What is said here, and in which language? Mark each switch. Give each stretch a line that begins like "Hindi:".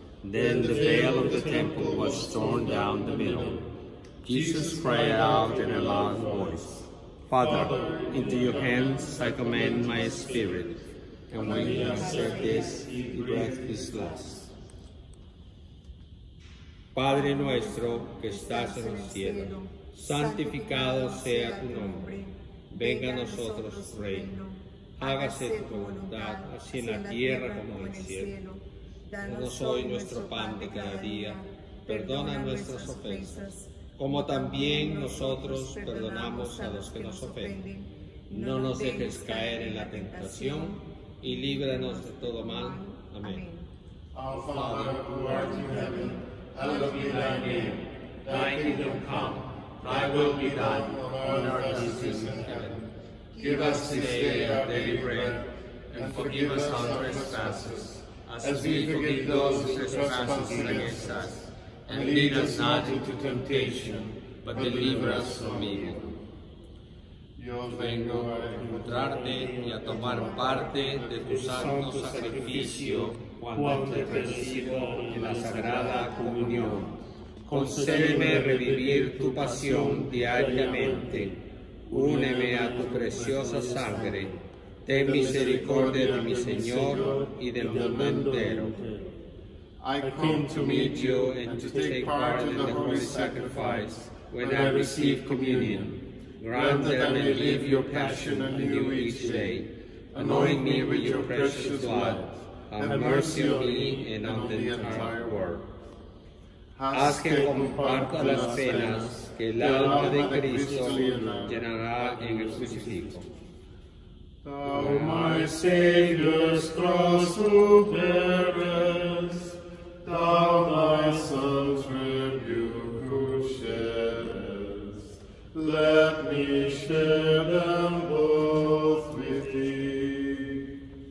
English: Then the veil of the temple was torn down the middle. Jesus cried out in a loud voice, Father, into your hands I commend my spirit. And when he said this, he breathed his last.
Spanish: Padre nuestro que estás en el cielo, santificado sea tu nombre. Venga a nosotros tu reino. Hágase tu voluntad, así en la tierra como en el cielo. Danos hoy nuestro pan de cada día. Perdona nuestras ofensas, como también nosotros perdonamos a los que nos ofenden. No nos dejes caer en la tentación y líbranos de todo mal. Amén.
English: Our Father, who art in heaven, hallowed be thy name. Thy kingdom come, thy will be done on earth as it is in heaven. Give us today our daily bread, and forgive us our trespasses, as we forgive those who trespass against us. And lead us not into temptation, but deliver us from evil.
Spanish: Yo vengo a encontrarte y a tomar parte de tu santo sacrificio cuando te recibo en la Sagrada Comunión. Concédeme revivir tu pasión diariamente. Úneme a tu preciosa sangre. Ten misericordia de mi Señor y del mundo entero.
English: I come to meet you and to take part in the holy sacrifice when I receive communion. Grant that I may live your passion anew each day. Anoint me with your precious blood. Have mercy on me and on the entire world.
Spanish: Haz que comparta las penas que el alma de Cristo llenará en el crucifijo.
English: Thou, my Savior's cross who bearest, Thou thy son's rebuke who sheddest, let me share them both with thee.